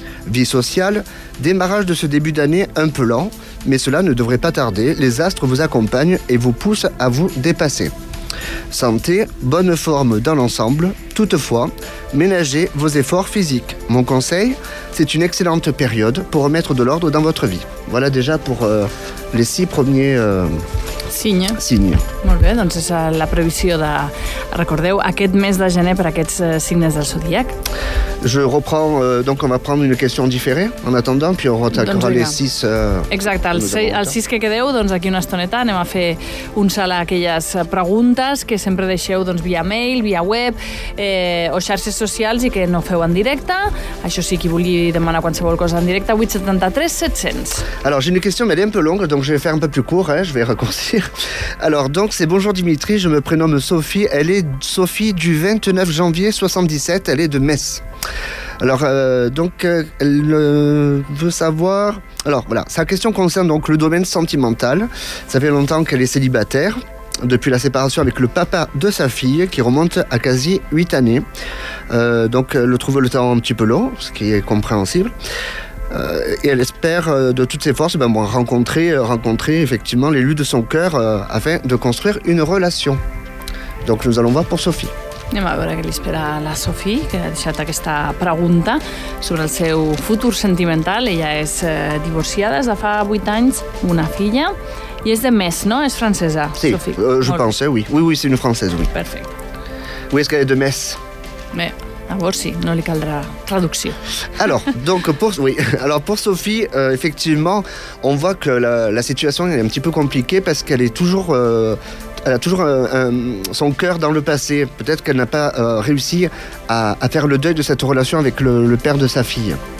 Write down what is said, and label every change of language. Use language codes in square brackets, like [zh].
[fr] Vie sociale, démarrage de ce début d'année un peu lent, mais cela ne devrait pas tarder, les astres vous accompagnent et vous poussent à vous dépasser. Santé, bonne forme dans l'ensemble, toutefois, ménagez vos efforts physiques. Mon conseil, c'est une excellente période pour remettre de l'ordre dans votre vie. Voilà déjà pour les 6 premiers signes. [ca] Molt bé, doncs és la previsió de, recordeu, aquest mes de gener per aquests signes del zodiac. [fr] Je reprends, donc on va prendre une question différée en attendant, puis on retaquera [ca] doncs les 6. Exacte, els 6 que quedeu, doncs aquí una estoneta anem a fer un salt a aquelles preguntes que sempre deixeu doncs, via mail, via web o xarxes socials i que no feu en directe. Això sí, qui vulgui demanar qualsevol cosa en directe, 873-700. [fr] Alors, j'ai une question, mais elle est un peu longue, donc je vais faire un peu plus court, hein, je vais raccourcir. Alors, donc, c'est bonjour Dimitri, je me prénomme Sophie, elle est Sophie du 29 janvier 77, elle est de Metz. Alors, elle veut savoir... Alors, voilà, sa question concerne donc le domaine sentimental. Ça fait longtemps qu'elle est célibataire, depuis la séparation avec le papa de sa fille, qui remonte à quasi 8 années. Donc, elle trouve le temps un petit peu long, ce qui est compréhensible. Et elle espère de toutes ses forces rencontrer effectivement l'élu de son cœur afin de construire une relation. Donc, nous allons voir pour Sophie. [ca] Anem a veure què li espera la Sophie, que ha deixat aquesta pregunta sobre el seu futur sentimental. Ella és divorciada, des de fa 8 anys, una filla, i és de Metz, no? És francesa, sí, Sophie. Sí, [fr] je pensais, oui. Oui, c'est une française, oui. [ca] Perfecte. [fr] Oui, est-ce qu'elle est de Metz? [ca] Bé, llavors sí, no li caldrà traducció. [fr] Alors, donc, pour Sophie, effectivement, on voit que la situation est un petit peu compliquée parce qu'elle est toujours... Elle a toujours son cœur dans le passé. Peut-être qu'elle n'a pas réussi à faire le deuil de cette relation avec le père de sa fille.